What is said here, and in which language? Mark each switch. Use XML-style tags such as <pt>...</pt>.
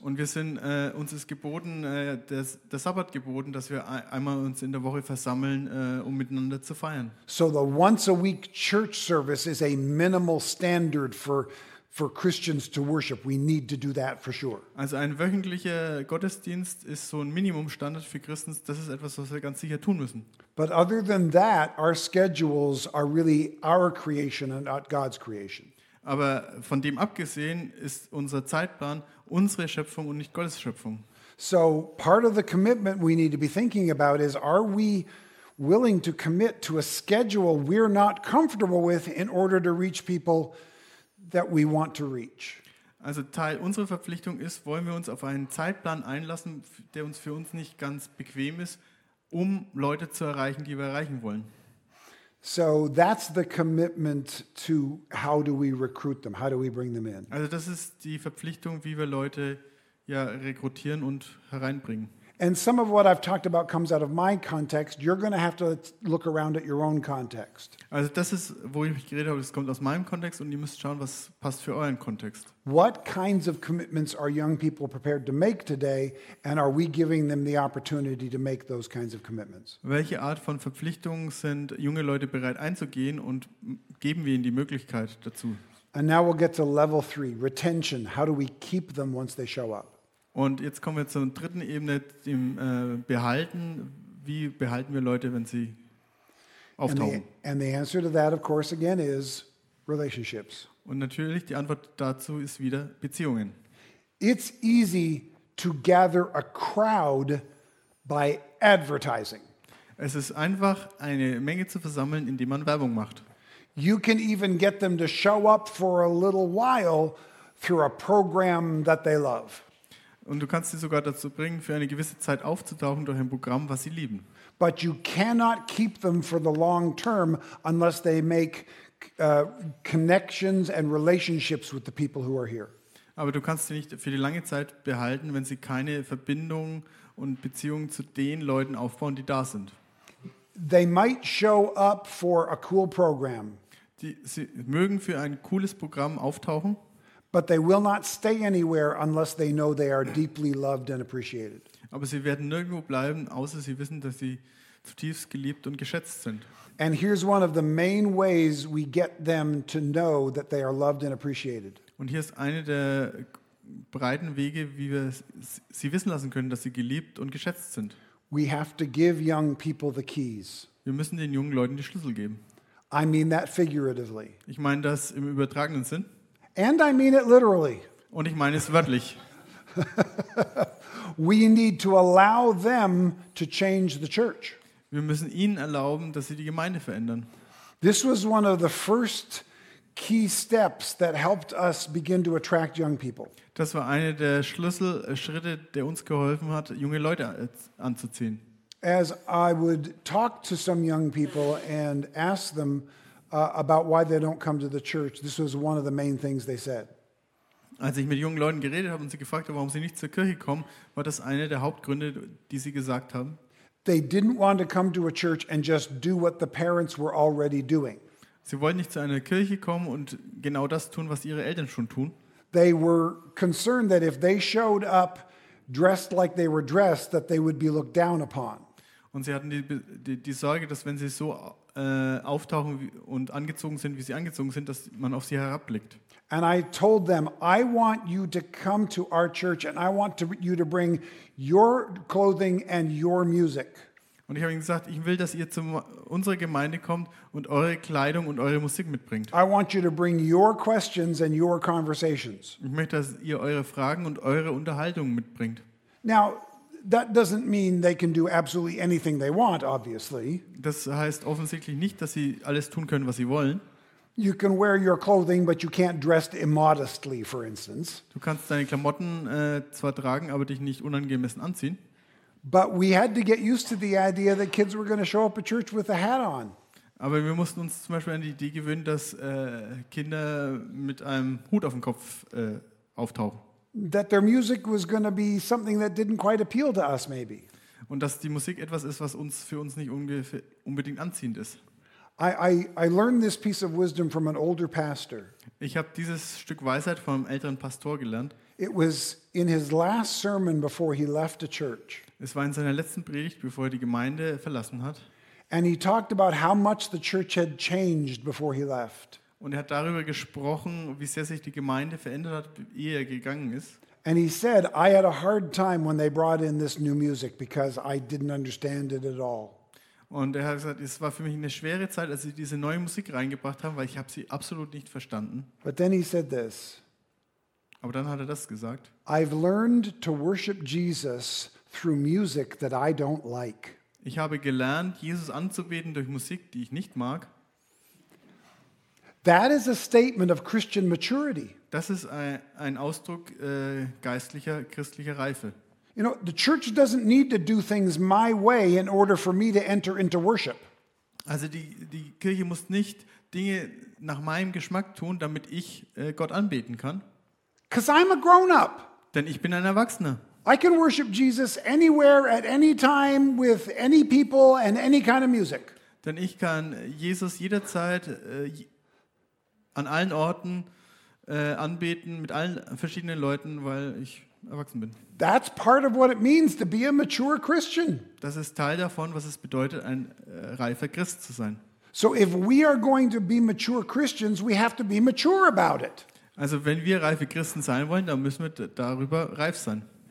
<de>Und wir sind uns ist geboten das Sabbat geboten, dass wir einmal uns in der Woche versammeln, um miteinander zu feiern.</de> <en>So the once a week church service is a minimal standard for Christians to worship. We need to do that for sure.</en> <de>Also ein wöchentlicher Gottesdienst ist so ein Minimumstandard für Christen. Das ist etwas, was wir ganz sicher tun müssen.</de> <en>But other than that, our schedules are really our creation and not God's creation.</en> <de>Aber von dem abgesehen ist unser Zeitplan unsere Schöpfung und nicht Gottes Schöpfung.</de> <en>So part of the commitment we need to be thinking about is, are we willing to commit to a schedule we're not comfortable with in order to reach people that we want to reach.</en> <de>Also Teil unserer Verpflichtung ist, wollen wir uns auf einen Zeitplan einlassen, der uns für uns nicht ganz bequem ist, um Leute zu erreichen, die wir erreichen wollen.</de> <en>So that's the commitment to how do we recruit them? How do we bring them in?</en> <de>Also das ist die Verpflichtung, wie wir Leute ja rekrutieren und hereinbringen.</de> <en>And some of what I've talked about comes out of my context. You're going to have to look around at your own context.</en> <de>Also das ist, wo ich mich geredet habe, das kommt aus meinem Kontext und ihr müsst schauen, was passt für euren Kontext.</de> <en>What kinds of commitments are young people prepared to make today and are we giving them the opportunity to make those kinds of commitments?</en> <de>Welche Art von Verpflichtungen sind junge Leute bereit einzugehen und geben wir ihnen die Möglichkeit dazu?</de> <en>And now we'll get to level 3, retention. How do we keep them once they show up?</en> <de>Und jetzt kommen wir zur dritten Ebene, dem Behalten. wie behalten wir Leute, wenn sie auftauchen?</de> <en>And the answer to that, of course, again, is relationships.</en> <de>Und natürlich die Antwort dazu ist wieder Beziehungen.</de> <en>It's easy to gather a crowd by advertising.</en> <de>Es ist einfach, eine Menge zu versammeln, indem man Werbung macht.</de> <en>You can even get them to show up for a little while through a program that they love.</en> <de>Und du kannst sie sogar dazu bringen, für eine gewisse Zeit aufzutauchen durch ein Programm, was sie lieben.</de> <en>But you cannot keep them for the long term unless they make connections and relationships with the people who are here.</en> <de>Aber du kannst sie nicht für die lange Zeit behalten, wenn sie keine Verbindung und Beziehung zu den Leuten aufbauen, die da sind.</de> <en>They might show up for a cool program.</en> <de>Sie mögen für ein cooles Programm auftauchen,</de> <en>but they will not stay anywhere unless they know they are deeply loved and appreciated.</en> <de>Aber sie werden nirgendwo bleiben, außer sie wissen, dass sie zutiefst geliebt und geschätzt sind.</de> <en>And here's one of the main ways we get them to know that they are loved and appreciated.</en> <de>Und hier ist eine der breiten Wege, wie wir sie wissen lassen können, dass sie geliebt und geschätzt sind.</de> <en>We have to give young people the keys.</en> <de>Wir müssen den jungen Leuten die Schlüssel geben.</de> <en>I mean that figuratively.</en> <de>Ich meine das im übertragenen Sinn.</de> <en>And I mean it literally.</en> <de>Und ich meine es wörtlich.</de> <en>We need to allow them to change the church.</en> <de>Wir müssen ihnen erlauben, dass sie die Gemeinde verändern.</de> <en>This was one of the first key steps that helped us begin to attract young people.</en> <de>Das war einer der Schlüsselschritte, der uns geholfen hat, junge Leute anzuziehen.</de> <en>As I would talk to some young people and ask them about why they don't come to the church, this was one of the main things they said.</en> <de>Als ich mit jungen Leuten geredet habe und sie gefragt habe, warum sie nicht zur Kirche kommen, war das einer der Hauptgründe, die sie gesagt haben.</de> <en>They didn't want to come to a church and just do what the parents were already doing.</en> <de>Sie wollten nicht zu einer Kirche kommen und genau das tun, was ihre Eltern schon tun.</de> <en>They were concerned that if they showed up dressed like they were dressed, that they would be looked down upon.</en> <de>Und sie hatten die Sorge, dass wenn sie so auftauchen und angezogen sind, wie sie angezogen sind, dass man auf sie herabblickt.</de> <en>And I told them, I want you to come to our church and I want you to bring your clothing and your music.</en> <de>Und ich habe ihnen gesagt, ich will, dass ihr zu unserer Gemeinde kommt und eure Kleidung und eure Musik mitbringt.</de> <en>I want you to bring your questions and your conversations.</en> <de>Ich möchte, dass ihr eure Fragen und eure Unterhaltungen mitbringt.</de> <en>Now, that doesn't mean they can do absolutely anything they want, obviously.</en> <de>Das heißt offensichtlich nicht, dass sie alles tun können, was sie wollen.</de> <en>You can wear your clothing, but you can't dress immodestly, for instance.</en> <de>Du kannst deine Klamotten zwar tragen, aber dich nicht unangemessen anziehen.</de> <en>But we had to get used to the idea that kids were going to show up at church with a hat on.</en> <de>Aber wir mussten uns zum Beispiel an die Idee gewöhnen, dass Kinder mit einem Hut auf dem Kopf auftauchen.</de> <en>That their music was going to be something that didn't quite appeal to us, maybe.</en> <de>Und dass die Musik etwas ist, was uns für uns nicht unbedingt anziehend ist.</de> <en>I learned this piece of wisdom from an older pastor.</en> <de>Ich habe dieses Stück Weisheit vom älteren Pastor gelernt.</de> <en>It was in his last sermon before he left the church.</en> <de>Es war in seiner letzten Predigt, bevor er die Gemeinde verlassen hat.</de> <en>And he talked about how much the church had changed before he left.</en> <de>Und er hat darüber gesprochen, wie sehr sich die Gemeinde verändert hat, ehe er gegangen ist.</de> <en>And he said, I had a hard time when they brought in this new music because I didn't understand it at all.</en> <de>Und er hat gesagt, es war für mich eine schwere Zeit, als sie diese neue Musik reingebracht haben, weil ich habe sie absolut nicht verstanden.</de> <en>But then he said this.</en> <de>Aber dann hat er das gesagt.</de> <en>I've learned to worship Jesus through music that I don't like.</en> <de>Ich habe gelernt, Jesus anzubeten durch Musik, die ich nicht mag.</de> <en>That is a statement of Christian maturity.</en> <de>Das ist ein Ausdruck geistlicher christlicher Reife.</de> <en>You know, the church doesn't need to do things my way in order for me to enter into worship.</en> <de>Also die Kirche muss nicht Dinge nach meinem Geschmack tun, damit ich Gott anbeten kann.</de> <en>Because I'm a grown-up.</en> <de>Denn ich bin ein Erwachsener.</de> <en>I can worship Jesus anywhere, at any time, with any people and any kind of music.</en> <de>Denn ich kann Jesus jederzeit an allen Orten anbeten, mit allen verschiedenen Leuten, weil ich erwachsen bin.</de> <en>That's part of what it means to be a mature Christian.</en> <de>Das ist Teil davon, was es bedeutet, ein reifer Christ zu sein.</de> <en>So if we are going to be mature Christians, we have to be mature about it.</en> <de>Also wenn wir reife Christen sein wollen, dann müssen wir darüber reif sein.</de>